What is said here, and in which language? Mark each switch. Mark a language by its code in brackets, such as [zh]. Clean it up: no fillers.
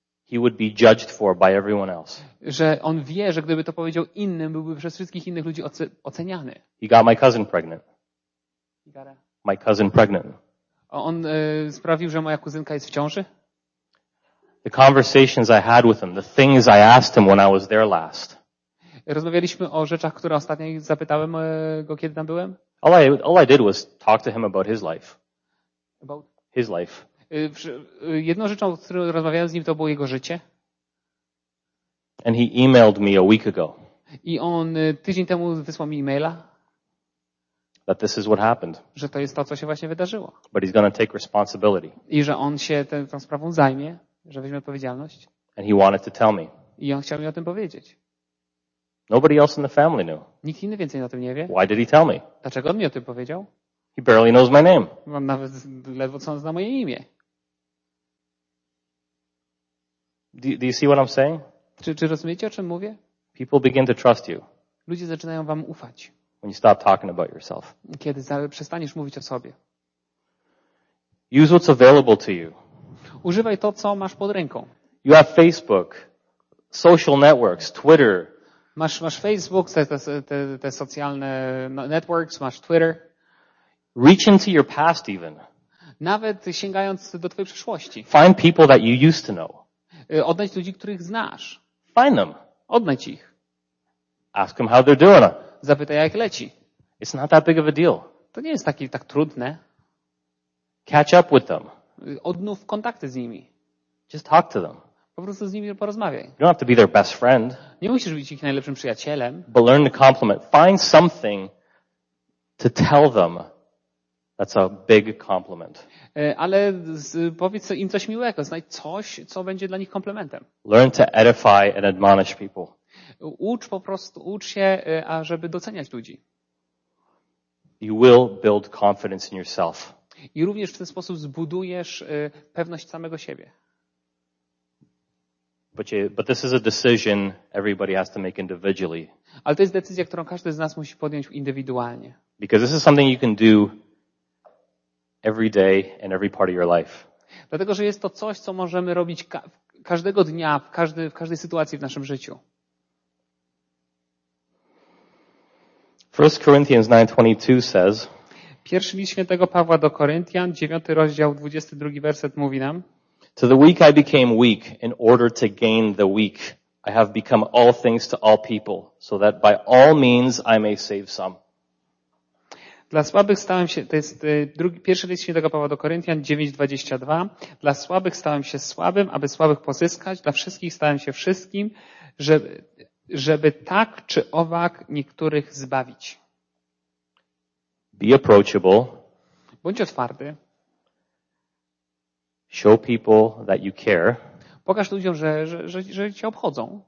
[en] He would be judged for by everyone else. [pl] Że on wie, że gdyby to powiedział innym, byłby przez wszystkich innych ludzi oceniany. [en] He got my cousin pregnant. My cousin pregnant. [pl] On sprawił, że moja kuzynka jest w ciąży? [en] The conversations I had with him, the things I asked him when I was there last. [pl] Rozmawialiśmy o rzeczach, które ostatnio zapytałem go, kiedy tam byłem. [en] All I did was talk to him about his life. About his life. [pl] Jedną rzeczą, o której rozmawiałem z nim, to było jego życie. [en] And he emailed me a week ago. [pl] I on tydzień temu wysłał mi e-maila. [en] That this is what happened. [pl] Że to jest to, co się właśnie wydarzyło. [en] But he's gonna take responsibility. [pl] I że on się tą sprawą zajmie, że weźmie odpowiedzialność. [en] And he wanted to tell me. [pl] I on chciał mi o tym powiedzieć. [en] Nobody else in the family knew. [pl] Nikt inny więcej o tym nie wie. [en] Why did he tell me? [pl] Dlaczego on mi o tym powiedział? [en] He barely knows my name. [pl] On nawet ledwo co on zna moje imię. [en] Do you see what I'm saying? [pl] Czy rozumiecie, o czym mówię? [en] People begin to trust you. [pl] Ludzie zaczynają wam ufać. [en] When you stop talking about yourself. [pl] Kiedy przestaniesz mówić o sobie. [en] Use what's available to you. [pl] Używaj to, co masz pod ręką. [en] You have Facebook, social networks, Twitter. [pl] Masz Facebook, te socjalne networks, masz Twitter. [en] Reach into your past even. [pl] Nawet sięgając do twojej przeszłości. [en] Find people that you used to know. [pl] Odnajdź ludzi, których znasz. [en] Find them. [pl] Odnajdź ich. [en] Ask them how they're doing. [pl] Zapytaj, jak leci. [en] It's not that big of a deal. [pl] To nie jest tak trudne. [en] Catch up with them. [pl] Odnów kontakty z nimi. [en] Just talk to them. [pl] Po prostu z nimi porozmawiaj. [en] You don't have to be their best friend. [pl] Nie musisz być ich najlepszym przyjacielem. [en] But learn to compliment. Find something to tell them that's a big compliment. [pl] Ale powiedz im coś miłego. Znajdź coś, co będzie dla nich komplementem. [en] Learn to edify and admonish people. [pl] Ucz po prostu, ucz się, ażeby doceniać ludzi. [en] You will build confidence in yourself. [pl] I również w ten sposób zbudujesz pewność samego siebie. [en] But this is a decision everybody has to make individually. [pl] Ale to jest decyzja, którą każdy z nas musi podjąć indywidualnie. [en] Because this is something you can do every day in every part of your life. [pl] Dlatego, że jest to coś, co możemy robić każdego dnia, w każdej sytuacji w naszym życiu. [en] 1 Corinthians 9:22 says. [pl] Pierwszy list świętego Pawła do Koryntian, 9 rozdział, 22 werset mówi nam. [en] To the weak I became weak in order to gain the weak. I have become all things to all people, so that by all means I may save some. [pl] Dla słabych stałem się, to jest pierwszy list świętego Pawła do Koryntian, 9:22. Dla słabych stałem się słabym, aby słabych pozyskać, dla wszystkich stałem się wszystkim, żeby żeby tak czy owak niektórych zbawić. [en] Be approachable. [pl] Bądź otwarty. [en] Show people that you care. [pl] Pokaż ludziom, że cię obchodzą.